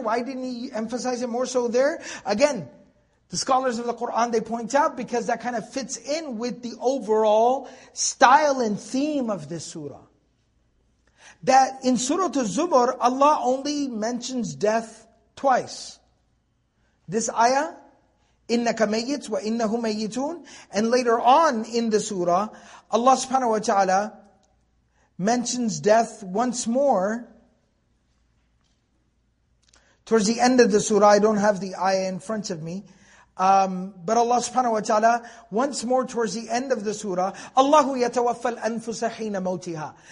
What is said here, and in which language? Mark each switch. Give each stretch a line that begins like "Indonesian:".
English: Why didn't He emphasize it more so there? Again, the scholars of the Qur'an, they point out, because that kind of fits in with the overall style and theme of this surah. That in Surah Az-Zumar, Allah only mentions death twice. This ayah,
Arabic: إِنَّكَ مَيِّتْ وَإِنَّهُ مَيِّتُونَ.
English: And later on in the surah, Allah subhanahu wa ta'ala mentions death once more. Towards the end of the surah, I don't have the ayah in front of me. But Allah subhanahu wa ta'ala, once more towards the end of the surah,
Arabic: اللَّهُ يَتَوَفَّ الْأَنفُسَ حِينَ مَوْتِهَا.